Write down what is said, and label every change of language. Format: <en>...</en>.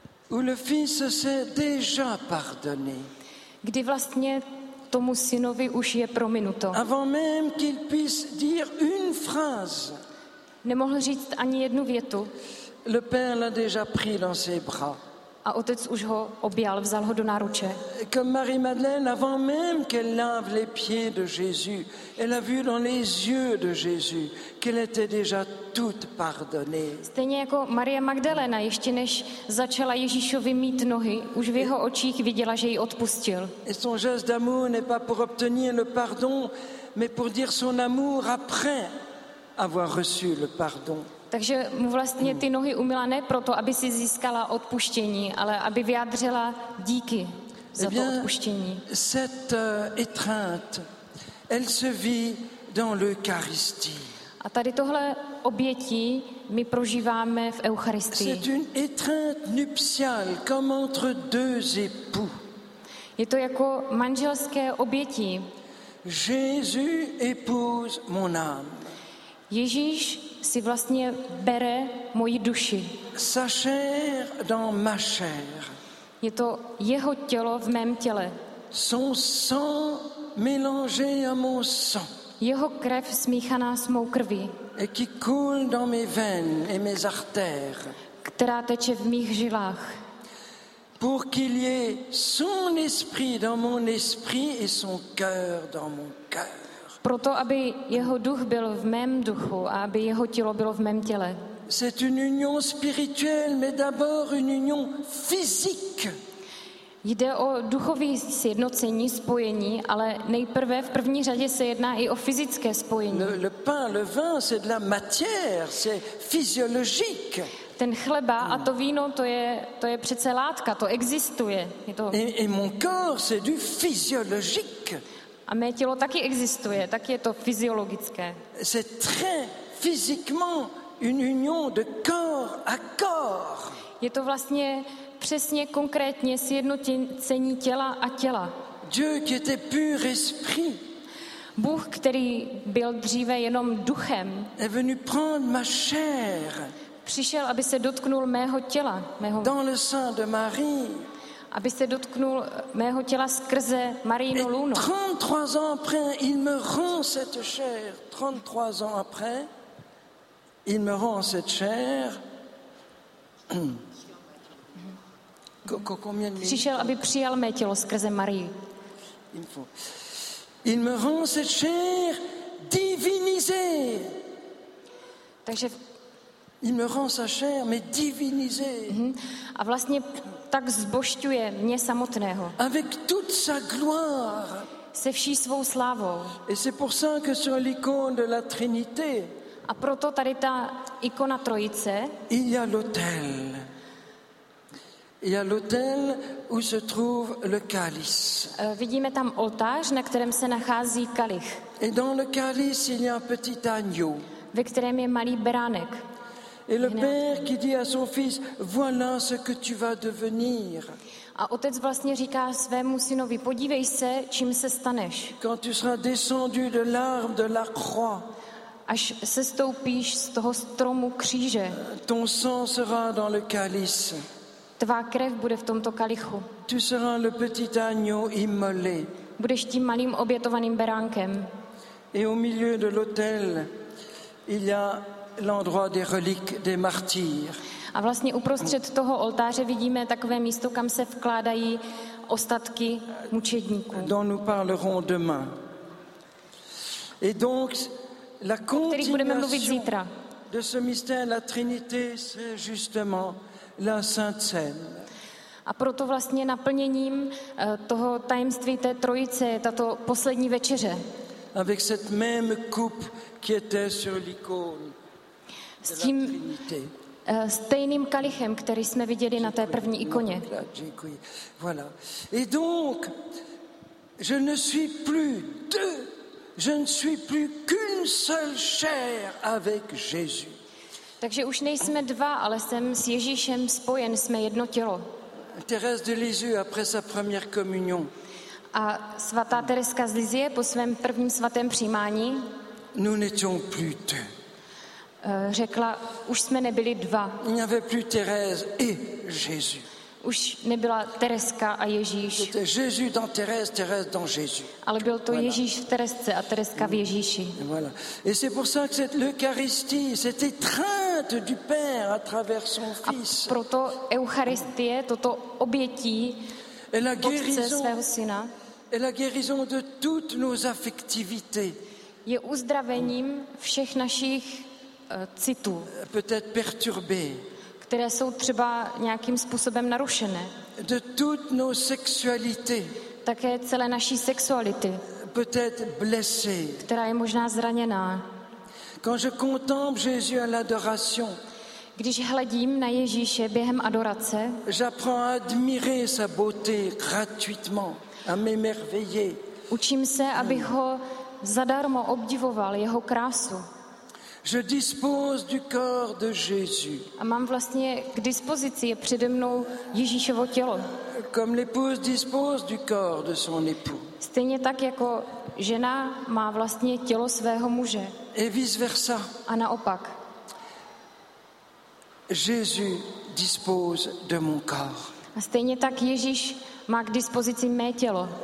<fr>Où le fils s'est déjà pardonné.</fr> <cs>Kdy vlastně tomu synovi už je prominuto.</cs> <fr>Avant même qu'il puisse dire une phrase.</fr> <cs>Nemohl říct ani jednu větu.</cs> <fr>Le père l'a déjà pris dans ses bras.</fr> <cs>A otec už ho objal, vzal ho do náruče.</cs> <fr>Comme Marie-Madeleine, avant même qu'elle lave les pieds de Jésus, elle a vu dans les yeux de Jésus qu'elle était déjà toute pardonnée.</fr> <cs>Stejně jako Marie Magdalena, ještě než začala Ježíšovi mít nohy, už v jeho očích viděla, že jí odpustil.</cs> <fr>Et son geste d'amour n'est pas pour obtenir le pardon, mais pour dire son amour après avoir reçu le pardon.</fr> <cs>Takže mu vlastně ty nohy umyla ne proto, aby si získala odpuštění, ale aby vyjádřila díky za to odpuštění.</cs> <fr>Cette étreinte, elle se vit dans l'Eucharistie.</fr> <cs>A tady tohle obětí my prožíváme v Eucharistii.</cs> <fr>C'est une étreinte nuptiale, comme entre deux époux.</fr> <cs>Je to jako manželské obětí.</cs> <fr>Jésus épouse mon âme.</fr> <cs>Ježíš si vlastně bere moji duši.</cs> <fr>Sa chair dans ma chair.</fr> <cs>Je to jeho tělo v mém těle.</cs> <fr>Son sang mélangé à mon sang.</fr> <cs>Jeho krev smíchaná s mou krví.</cs> <fr>Et qui coule dans mes veines et mes artères.</fr> <cs>Která teče v mých žilách.</cs> <fr>Pour qu'il y ait son esprit dans mon esprit et son cœur dans mon cœur.</fr> <cs>Proto, aby jeho duch byl v mém duchu a aby jeho tělo bylo v mém těle.</cs> <fr>C'est une union spirituelle, mais d'abord une union physique.</fr> <cs>Jde o duchové sjednocení, spojení, ale nejprve v první řadě se jedná i o fyzické spojení.</cs> <fr>Le pain, le vin, c'est de la matière, c'est physiologique.</fr> <cs>Ten chleba a to víno, to je přece látka, to existuje. Je to...</cs> <fr>Et mon corps, c'est du physiologique.</fr> <cs>A mé tělo taky existuje, tak je to fyziologické.</cs> <fr>C'est très physiquement une union de corps à corps.</fr> <cs>Je to vlastně přesně konkrétně sjednocení těla a těla.</cs> <fr>Dieu qui était pur esprit.</fr> <cs>Bůh, který byl dříve jenom duchem.</cs> <fr>Est venu prendre ma chair.</fr> <cs>Přišel, aby se dotknul mého těla, mého.</cs> <fr>Dans le sein de Marie.</fr> <cs>Aby se dotknul mého těla skrze Marijino lůno.</cs> <fr>33 ans après, il me rend cette chair. 33 ans après, il me rend cette chair.</fr> <cs>Přišel, aby přijal mé tělo skrze Marii.</cs> <fr>Il me rend cette chair divinisée.</fr> <cs>Takže</cs> <fr>il me rend sa chair mais divinisée.</fr> <cs>A vlastně tak zbošťuje mě samotného.</cs> <fr>Avec toute sa gloire.</fr> <cs>Se vší svou slávou.</cs> <fr>Et c'est pour ça que sur l'icône de la Trinité.</fr> <cs>A proto tady ta ikona Trojice.</cs> <fr>Il y a l'autel. Il y a l'autel où se trouve le calice.</fr> <cs>Vidíme tam oltář, na kterém se nachází kalich.</cs> <fr>Et dans le calice, il y a un petit agneau.</fr> <cs>Ve kterém je malý beránek.</cs> <fr>Et le père qui dit à son fils, voilà ce que tu vas devenir.</fr> <cs>A otec vlastně říká svému synovi, podívej se, čím se staneš.</cs> <fr>Quand tu seras descendu de l'arbre de la croix.</fr> <cs>Až sestoupíš z toho stromu kříže.</cs> <fr>Ton sang sera dans le calice.</fr> <cs>Tvá krev bude v tomto kalichu.</cs> <fr>Tu seras le petit agneau immolé.</fr> <cs>Budeš tím malým obětovaným beránkem.</cs> <fr>Et au milieu de l'autel, il y a l'endroit des reliques des martyrs.</fr> <cs>A vlastně uprostřed toho oltáře vidíme takové místo, kam se vkládají ostatky mučedníků.</cs> <fr>Dont nous parlerons demain. Et donc la continuation de ce mystère, la Trinité, c'est justement la Sainte Cène.</fr> <cs>A proto vlastně naplněním toho tajemství té trojice je tato poslední večeře.</cs> <fr>Avec cette même coupe qui était sur l'icône.</fr> <cs>S tím stejným kalichem, který jsme viděli na té první ikoně.</cs> <fr>Voilà. Et donc je ne suis plus deux, je ne suis plus qu'une seule chair avec Jésus.</fr> <cs>Takže už nejsme dva, ale jsem s Ježíšem spojen, jsme jedno tělo.</cs> <fr>Thérèse de Lisieux après sa première communion.</fr> <cs>A svatá Tereska z Lisie po svém prvním svatém přijímání.</cs> <fr>Nous n'étions plus deux.</fr> <cs>Řekla, už jsme nebyli dva.</cs> <fr>Il n'y avait plus Thérèse et Jésus.</fr> <cs>Už nebyla Tereska a Ježíš.</cs> <fr>C'était Jésus dans Thérèse, Thérèse dans Jésus.</fr> <cs>Ale byl to voilà. Ježíš v Teresce a Tereska v Ježíši.</cs> <fr>Voilà. Et c'est pour ça que cette l'Eucharistie, cette étreinte du Père à travers son Fils.</fr> <cs>A proto Eucharistie, toto obětí Otce svého Syna.</cs> <fr>Et la guérison de toutes nos affectivités.</fr> <cs>Je uzdravením všech našich citů.</cs> <fr>Peut-être perturbé.</fr> <cs>Které jsou třeba nějakým způsobem narušené.</cs> <fr>De toutes nos sexualités.</fr> <cs>Také celé naší sexuality.</cs> <fr>Peut-être blessé.</fr> <cs>Která je možná zraněná.</cs> <fr>Quand je contemple Jésus à l'adoration.</fr> <cs>Když hledím na Ježíše během adorace.</cs> <fr>J'apprends à admirer sa beauté gratuitement, à m'émerveiller.</fr> <cs>Učím se, abych ho zadarmo obdivoval, jeho krásu.</cs> <fr>Je dispose du corps de Jésus.</fr> <cs>A mám vlastně k dispozici je přede mnou Ježíšovo tělo.</cs> <fr>Comme l'épouse dispose du corps de son époux.</fr> <cs>Stejně tak jako žena má vlastně tělo svého muže.</cs> <fr>Et vice versa.</fr> <cs>A naopak.</cs> <fr>Jésus dispose de mon corps.</fr> <cs>A stejně tak Ježíš má k dispozici mé tělo.</cs>